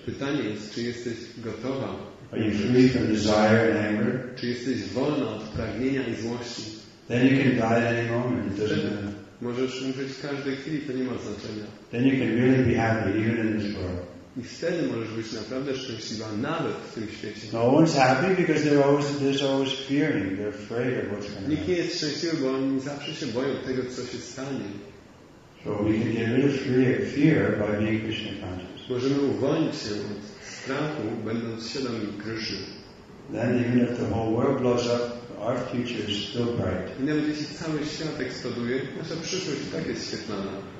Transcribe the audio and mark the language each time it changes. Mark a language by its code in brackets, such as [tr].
[pl] Pytanie jest, czy jesteś gotowa? [en] Are you free from desire and anger? [pl] Czy jesteś wolna od pragnienia i złości? [en] Then you can die at any moment. It doesn't matter. [pl] Możesz umrzeć w każdej chwili, to nie ma znaczenia. [en] Then you can really be happy even in this world. [pl] I wtedy możesz być naprawdę szczęśliwa nawet w tym świecie. [en] No one's happy because they're always fearing, they're afraid of what's going to happen. [pl] Nikt nie jest szczęśliwy, bo oni zawsze się boją tego, co się stanie. [en] So we can get rid of fear by being Krishna conscious. [pl] Możemy uwolnić się od strachu, będąc świadomi Krishny. [en] Then even if the whole world blows up, our future is still bright. [pl] I nawet jeśli cały świat eksploduje, nasza przyszłość i tak jest świetlana.